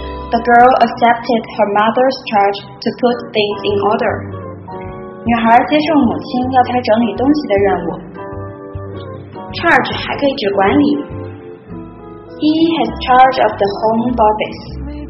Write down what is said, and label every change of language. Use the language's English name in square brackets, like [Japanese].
[English] The girl accepted her mother's charge to put things in order。 [Chinese] 女孩接受母亲要她整理东西的任务。 Charge 还可以指管理。 [English] He has charge of the home office。